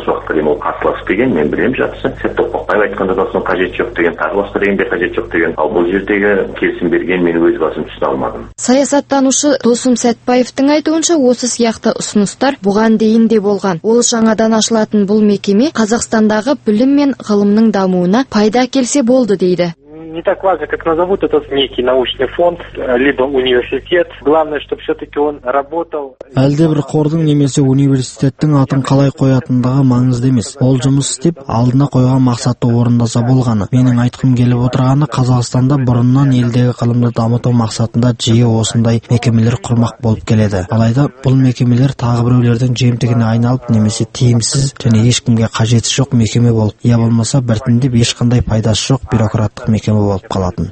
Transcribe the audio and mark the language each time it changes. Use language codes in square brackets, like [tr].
[kk] Осы уақытқа дейін ол қарсылас деген мен білемін, жақсы сәтті тоқтап айтқанда да соның қажеті жоқ деген, тағы басқа дегенде қажеті жоқ деген, ал бұл жердегі келісім берген мен өз басым түсіне алмадым. Саясаттанушы Досым Сәтбаевтың айтуынша, осы сияқты ұсыныстар бұған дейін де болған. Ол жаңадан ашылатын бұл мекеме Қазақстандағы білім мен ғылымның дамуына пайда келсе болды дейді. [ru] Не так важно, как назовут этот некий научный фонд, либо университет. Главное, чтобы все-таки он работал. [kk] Әлдебір қордың немесе университеттің атын қалай қоятындығы маңызды емес. Ол жұмыс істеп, алдына қойған мақсатты орындаса болғаны. Менің айтқым келіп отырғаны, Қазақстанда бұрыннан елдегі ғылымды дамыту мақсатында жиі осындай мекемелер құрмақ болып келеді. Алайда бұл мекемелер тағы біреулердің жемтігіне айналып, немесе тиімсіз және ешкімге қажеті жоқ мекеме болып, я болмаса біртіндеп ешқандай пайдасы жоқ бюрократтық мекеме болып қалатын.